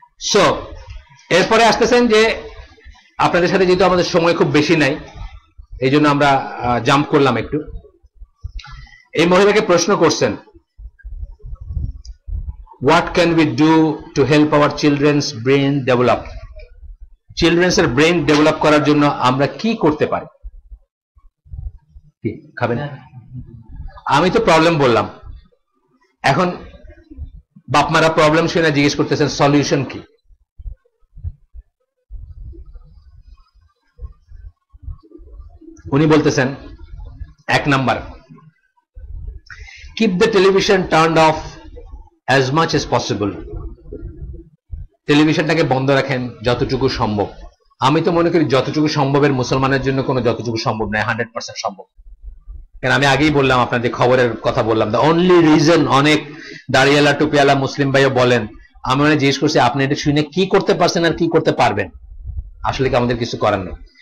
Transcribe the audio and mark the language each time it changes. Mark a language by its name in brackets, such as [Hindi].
[Bangla] So এরপরে আসতেছেন যে আপনাদের সাথে যেহেতু আমাদের সময় খুব বেশি নাই এই জন্য আমরা জাম্প করলাম একটু। এই মহিলাকে প্রশ্ন করছেন, [English] What can we do to help our children's brain develop? Children's brain develop [Bangla] করার জন্য আমরা কি করতে পারি? কি খাবেন? আমি তো প্রবলেম বললাম, এখন বাপমারা প্রবলেম শুনে জিজ্ঞেস করতেছেন সলিউশন কি? উনি বলতেছেন, [English] 1, keep the television turned off as much as possible. [Bangla] টেলিভিশনটাকে বন্ধ রাখেন যতটুকু সম্ভব। আমি তো মনে করি যতটুকু সম্ভবের মুসলমানের জন্য কোনো যতটুকু সম্ভব নয়, 100% সম্ভব, কারণ আমি আগেই বললাম আপনাদের খবরের কথা বললাম, [English] the only reason [Bangla] অনেক দাঁড়িয়েলা টুপিওয়ালা মুসলিম ভাইও বলেন, আমি মানে জিজ্ঞেস করছি আপনি এটা শুনে কি করতে পারছেন আর কি করতে পারবেন, আসলে কি আমাদের কিছু করার নেই?